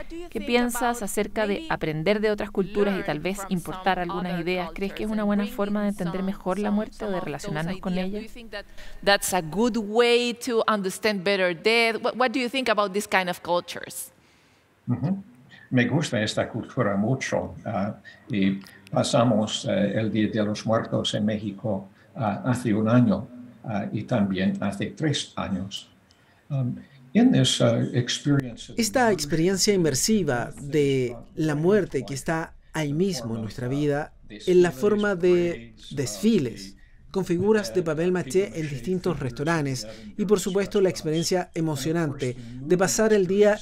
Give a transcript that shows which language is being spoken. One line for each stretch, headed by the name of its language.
Spanish: ¿Qué piensas acerca de aprender de otras culturas y tal vez importar algunas ideas? ¿Crees que es una buena forma de entender mejor la muerte o de relacionarnos con ella?
English: That's a good way to understand better death. What do you think about this kind of cultures?
Spanish: Me gusta esta cultura mucho. Y pasamos el Día de los Muertos en México hace un año y también hace 3 años. Esta experiencia inmersiva de la muerte que está ahí mismo en nuestra vida, en la forma de desfiles, con figuras de papel maché en distintos restaurantes, y por supuesto la experiencia emocionante de pasar el día